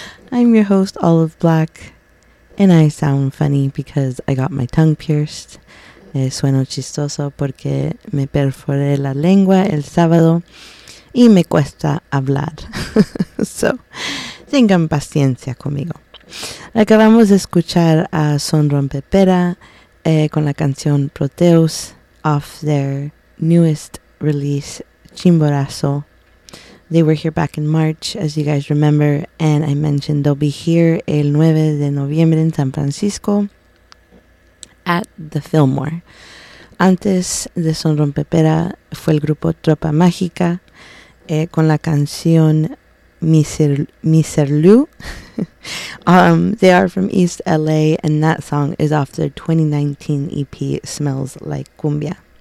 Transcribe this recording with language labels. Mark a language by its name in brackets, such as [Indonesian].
[English] I'm your host, Olive Black, and I sound funny because I got my tongue pierced. [Spanish] Sueno chistoso porque me perforé la lengua el sábado y me cuesta hablar. So, tengan paciencia conmigo. Acabamos de escuchar a Son Rompepera con la canción Proteus [English] off their newest release, [Spanish] Chimborazo. [English] They were here back in March, as you guys remember, and I mentioned they'll be here [Spanish] el 9 de noviembre [English] in San Francisco at the Fillmore. [Spanish] Antes de Son Rompepera fue el grupo Tropa Mágica con la canción Miserlu. [English] They are from East LA, and that song is off their 2019 EP, Smells Like Cumbia.